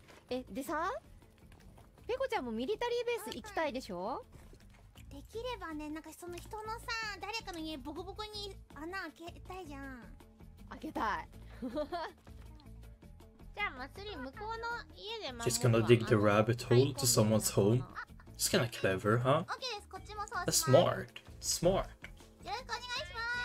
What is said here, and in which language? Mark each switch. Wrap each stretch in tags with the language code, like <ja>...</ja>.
<ja>え、でさ、ペコちゃんもミリタリーベース行きたいでしょ？できればね、なんかその人のさ、誰かの家ボコボコに穴開けたいじゃん。開けたい。じゃあ、祭り向こうの家で</ja> <en>She's gonna dig the rabbit hole to someone's home. It's kinda clever, huh?</en> <ja>OK です、こっちもそうします。</ja> <en>Smart. Smart.</en> <ja>よろしくお願いします。</ja>